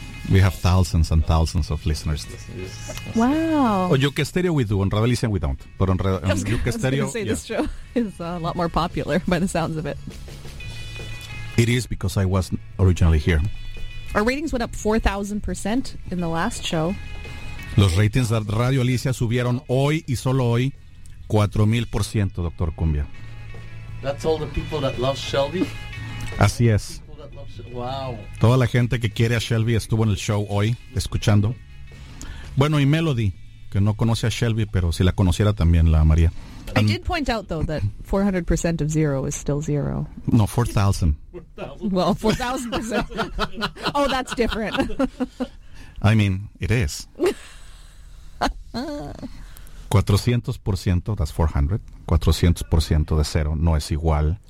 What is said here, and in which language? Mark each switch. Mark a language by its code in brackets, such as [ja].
[en] We have thousands and thousands of listeners. Wow. On Yukesterio we do. On Radio Alicia we don't. But on Yukesterio, I was going to say this show is a lot more popular by the sounds of it. It is because I wasn't originally here. Our ratings went up 4,000% in the last show. [es] Los ratings de Radio Alicia subieron hoy y solo hoy 4,000%, Dr. Cumbia. [en] That's all the people that love Shelby? [es] Así es. [en] Wow. [es] Toda la gente que quiere a Shelby estuvo en el show hoy, escuchando. Bueno, y Melody, que no conoce a Shelby, pero si la conociera también la amaría. [en] I did point out, though, that 400% of zero is still zero. No, 4,000. Well, 4,000%. Oh, that's different. I mean, it is. [es] 400%, [en] that's 400. [es] 400% de zero no es igual.